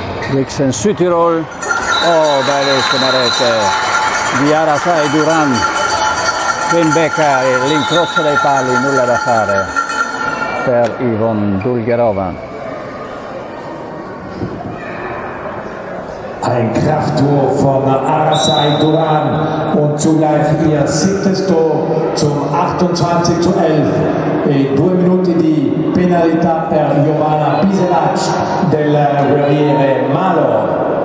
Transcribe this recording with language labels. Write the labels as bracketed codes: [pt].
[it] Vixen Südtirol. Oh, bellissima rete di Arasai Duran, che becca l'incrocio dei pali. Nulla da fare per Yvonne Dulgerova. [de] Ein Krafttor von Arasai Duran und zugleich ihr siebtes Tor zum 28-11. [it] E due minuti di penalità per Giovanna Biselac del Guerriere Malo.